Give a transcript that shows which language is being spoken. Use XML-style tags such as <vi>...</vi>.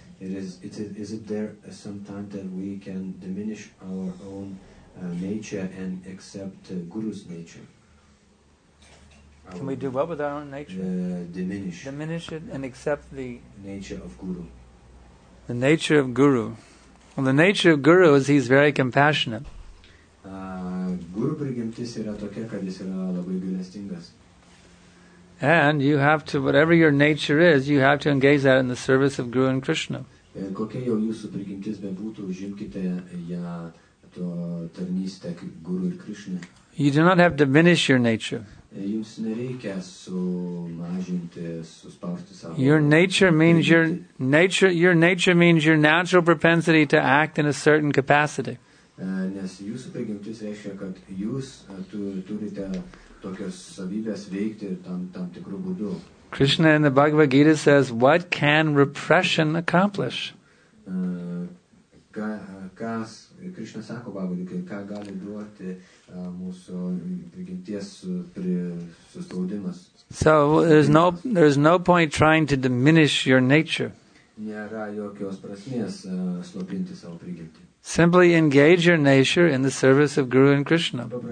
<en>Is it there some time that we can diminish our own nature and accept Guru's nature? Can we do what with our own nature? Diminish it and accept the nature of Guru. The nature of Guru. Well, the nature of Guru is he's very compassionate.</en> <lt>Guru prigimtis yra tokia, kad jis yra labai gailestingas.</lt> <en>And you have to, whatever your nature is, you have to engage that in the service of Guru and Krishna.</en> <lt>Kokia jau jūsų prigimtis bebūtų, užimkite ją to tarnystę kaip Guru ir Krishna.</lt> <en>You do not have to diminish your nature.</en> <lt>Jums nereikia sumažinti, suspausti savo.</lt> <en>Your nature means your natural propensity to act in a certain capacity.</en> <lt>Nes jūsų prigimtis reiškia, kad jūs turite tokios savybės veikti tam tikru būdu.</lt> <en>Krishna in the Bhagavad Gita says, what can repression accomplish?</en> <lt>Kas Krishna sako Bhagavad Gita, ką gali duoti mūsų prigimties suspaudimas.</lt> <en>So there's no point trying to diminish your nature.</en> <lt>Nėra jokios prasmės slopinti savo prigimtį.</lt> <en>Simply engage your nature in the service of Guru and Krishna.</en>